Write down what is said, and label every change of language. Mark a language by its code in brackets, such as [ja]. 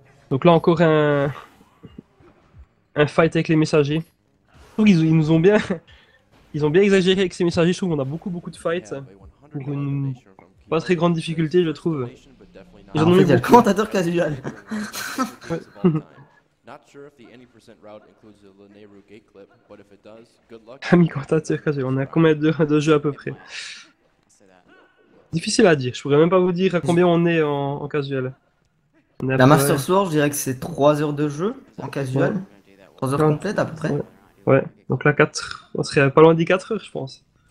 [fr] Donc là encore un fight avec les messagers. Je trouve qu'ils nous ont bien... Ils ont bien exagéré avec ces messagers, je trouve qu'on a beaucoup beaucoup de fights. Pour une pas très grande difficulté, je trouve. Ils en fait, il y a le commentateur casual. Ouais. [en] Not sure if the any percent route includes the Le Nehru gate clip, but if it does, good luck. [fr] Mikortatirkaze, on a combien de jeux à peu près? Difficile à dire, je pourrais même pas vous dire à combien on est en casual. On est la Master Sword, je dirais que c'est 3 heures de jeu en casual. Ouais. 3 heures complètes à peu près. Ouais, donc là 4, on serait pas loin des 4 heures, je pense.